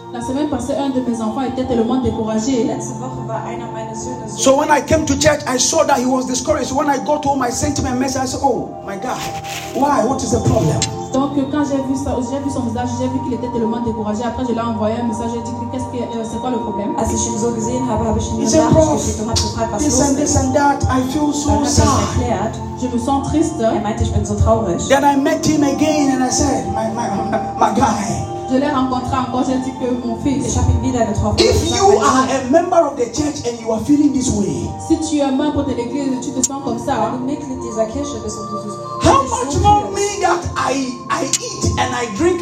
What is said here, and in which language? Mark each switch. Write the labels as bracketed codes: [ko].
[fr] La semaine passée, un de mes enfants était tellement découragé. [en] So when I came to church, I saw that he was discouraged. When I got home, I sent him a message. I said, "Oh my God, why? What is the problem?" [fr] Donc quand j'ai vu ça, j'ai vu son visage, j'ai vu qu'il était tellement découragé. Après, je lui ai envoyé un message. J'ai dit, "Qu'est-ce que c'est quoi le problème?" [de] Als ich ihn so gesehen habe, habe ich ihn gefragt, [en] "This and this and that, I feel so sad." [fr] Je me sens triste. [de] Er meinte, ich bin so traurig. [en] Then I met him again and I said, "My guy." [fr] Je l'ai rencontré encore, j'ai dit que mon fils échappe une vie d'être trop. [en] If you are a member of the church and you are feeling this way, [fr] si tu es membre de l'église et tu te sens comme ça, [en] how much more me that I eat and I drink